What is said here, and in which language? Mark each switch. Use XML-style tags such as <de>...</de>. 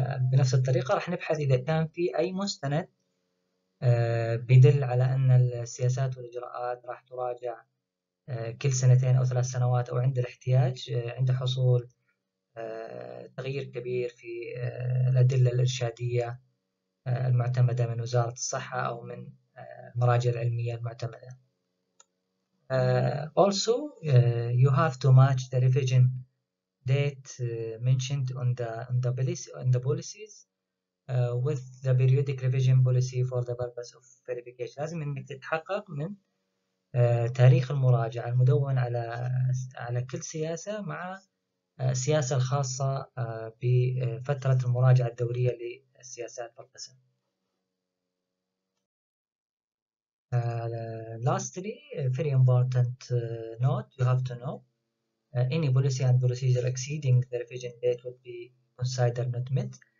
<ar>بنفس الطريقة راح نبحث إذا كان في أي مستند بيدل على أن السياسات والإجراءات راح تراجع كل سنتين أو 3 سنوات، أو عند الاحتياج عند حصول تغيير كبير في الأدلة الإرشادية المعتمدة من وزارة الصحة أو من المراجع العلمية المعتمدة.</ar> <en>Also, you have to match the revision date mentioned on the policies with the periodic revision policy for the purpose of verification.</en> <ar>لازم إنك تتحقق من تاريخ المراجعة المدون على كل سياسة مع السياسة الخاصة بفترة المراجعة الدورية للسياسات والقسم.</ar> <en>Lastly, very important note you have to know. Any policy and procedure exceeding the revision date would be considered not met.</en>